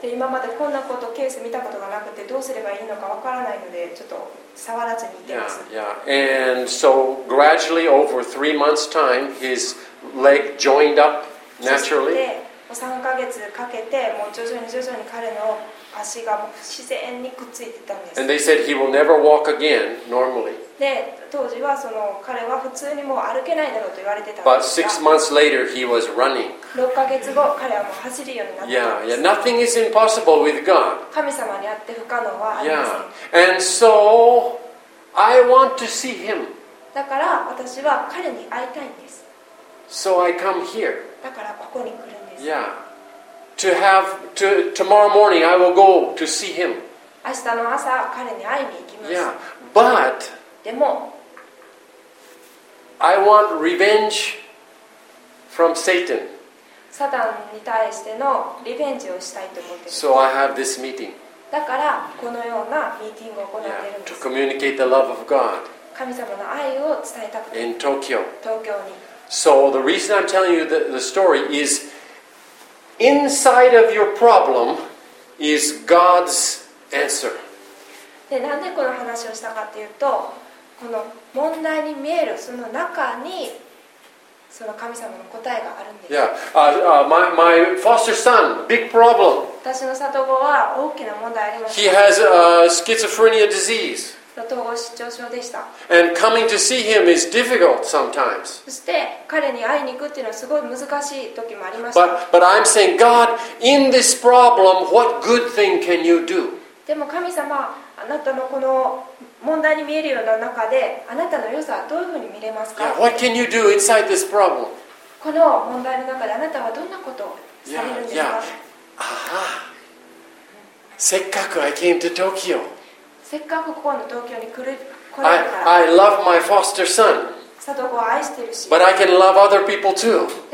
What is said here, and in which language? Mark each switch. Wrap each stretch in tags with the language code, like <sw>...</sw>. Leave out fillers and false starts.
<ja>で、今までこんなことケース見たことがなくて、どうすればいいのか分からないので、ちょっと触らずにいてます。</ja> <en>Yeah, yeah. And so gradually over 3 months time his leg joined up naturally.</en> <ja>3ヶ月かけて、もう徐々に彼の足がもう自然にくっついてたんです。</ja> <en>And they said he will never walk again, normally.</en> <ja>で、当時はその彼は普通にもう歩けないだろうと言われてたんですが、</ja> <en>But 6 months later, he was running.</en> <ja>6ヶ月後、彼はもう走るようになったんです。</ja> <en>Yeah, yeah, nothing is impossible with God.</en> <ja>神様にあって不可能はありません。</ja> <en>Yeah. And so, I want to see him.</en> <ja>だから私は彼に会いたいんです。</ja> <en>So I come here.</en> <ja>だからここに来る。</ja> <en>Yeah. To have to tomorrow morning I will go to see him.</en> <ja>明日の朝彼に会いに行きます。</ja> <en>Yeah. But</en> <ja>でも</ja> <en>I want revenge from Satan.</en> <ja>サタンに対してのリベンジをしたいと思っています。</ja> <en>So I have this meeting.</en> <ja>だからこのようなミーティングを行っているんです。</ja> <en>Yeah. To communicate the love of God.</en> <ja>神様の愛を伝えたくて。</ja> <en>In Tokyo.</en> <ja>東京に。</ja> <en>So the reason I'm telling you the story isInside of your problem is God's answer.</en> <ja>で、なんでこの話をしたかっていうと、この問題に見えるその中にその神様の答えがあるんです。</ja> <en>Yeah. My foster son, big problem.</en> <ja>私の里子は大きな問題ありました。</ja> <en>He has a schizophrenia disease.</en> <ja>統合失調症でした。</ja> <en>And coming to see him is difficult sometimes.</en> <ja>そして彼に会いに行くっていうのはすごい難しい時もありました。</ja> <en>But I'm saying, God, in this problem, what good thing can you do?</en> <ja>でも神様、あなたのこの問題に見えるような中で、あなたの良さはどういうふうに見れますか？</ja> <en>What can you do inside this problem?</en> <ja>この問題の中であなたはどんなことをされるんですか？</ja> <en>Yeah, yeah.</en> <ja>せっかく</ja> <en>I came to Tokyo.</en> <ja>せっかくここの東京に来る</ja> <en>I love my foster son. But I can love other people too.</en>